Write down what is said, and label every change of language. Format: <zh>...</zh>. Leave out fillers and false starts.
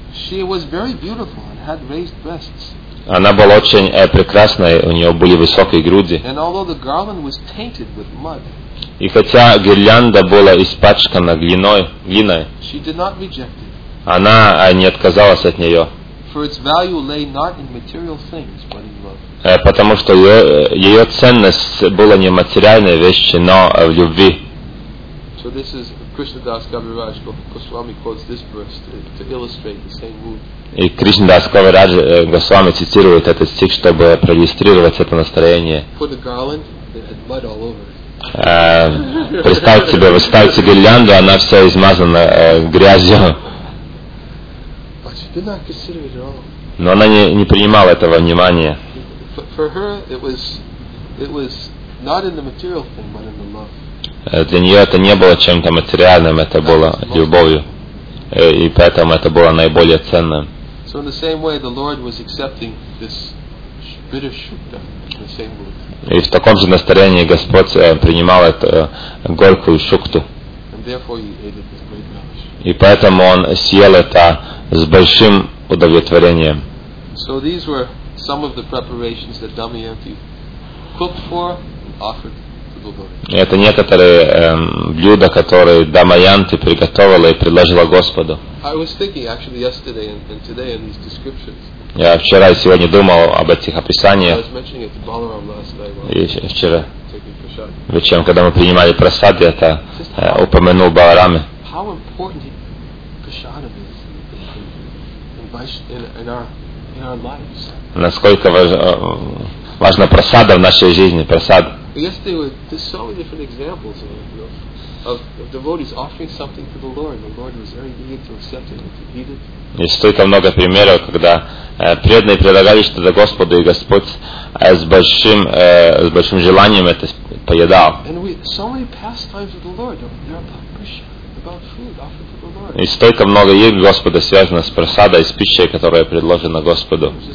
<en>She was very beautiful and had raised breasts.</en> <ru>Она была очень прекрасной, у нее были высокие груди.</ru> <en>And although the garland was tainted with mud,</en> <ru>и хотя гирлянда была испачкана глиной,</ru> <en>she did not reject it.</en> <ru>Она не отказалась от нее.</ru> <en>For its value lay not in material things, but in love.</en> <ru>Потому что ее ценность была не в материальной вещи, но в любви.</ru> <en>So this is Krishna Das Kaviraj Goswami quotes this verse to illustrate the same mood.</en> <ru>И Кришна Дас Кавирадж Госвами цитирует этот стих, чтобы проиллюстрировать это настроение.</ru> <en>Put a garland that had mud all over it.</en> <ru>Представьте себе, вы ставите гирлянду, она вся измазана грязью.</ru> <en>Did not consider it at all.</en> <ru>Но она не принимала этого внимания.</ru> <en>For her, it was not in the material thing, but in the love.</en> <ru>Для нее это не было чем-то материальным, это было любовью, и поэтому это было наиболее ценным.</ru> <en>So in the same way, the Lord was accepting this bitter shukta in the same mood.</en> <ru>И в таком же настроении Господь принимал эту горькую шукту.</ru> <en>And therefore, he ate it with great relish.</en> <ru>И поэтому он съел это с большим удовлетворением.</ru> <en>So these were some of the preparations that Дамаянти cooked for and offered to the Lord.</en> <ru>Это некоторые блюда, которые Дамаянти приготовила и предложила Господу.</ru> <en>I was thinking actually yesterday and today in these descriptions.</en> <ru>Я вчера и сегодня думал об этих описаниях.</ru> <en>I was mentioning it to Balaram last night.</en> <ru>Вчера вечером, когда мы принимали прасад, я это упомянул Балараме.</ru> <en>How important прасад is. In our lives.</en> <ru>Насколько важна просада в нашей жизни, просад.</ru> <en>Yesterday there's so many different examples of devotees offering something to the Lord. The Lord was very eager to accept it and to eat it.</en> <ru>И столько много примеров, когда преданные предлагали что-то Господу, и Господь с большим желанием это поедал.</ru> <en>And so many pastimes of the Lord. They're about prasad.</en> <ru>И столько много игр Господа связано с просадой, с пищей, которая предложена Господу.</ru>